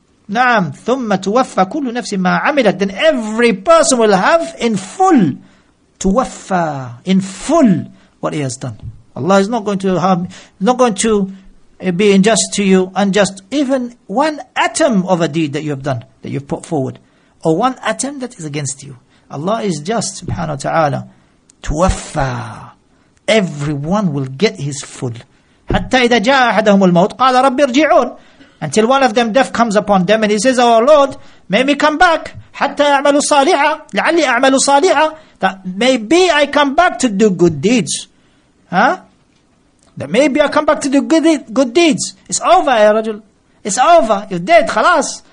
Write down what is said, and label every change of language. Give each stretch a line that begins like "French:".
Arabic: نعم ثم توفى كل نفس ما عملت.
English: Then every person will have in full, توفى in full what he has done. Allah is not going to harm, not going to be unjust to you, unjust even one atom of a deed that you have done, that you've put forward, or one atom that is against you. Allah is just, subhanahu wa ta'ala. توفى, everyone will get his full.
Arabic: حتى إذا جاء أحدهم الموت قال ربي ارجعون.
English: Until one of them, death comes upon them, and he says, "Oh Lord, may me come back.
Arabic: Hatta a'malu saliha, la'alli a'malu saliha,
English: that maybe I come back to do good deeds, huh? That maybe I come back to do good deeds. It's over, ya Rajul. It's over. You're dead. Khalas.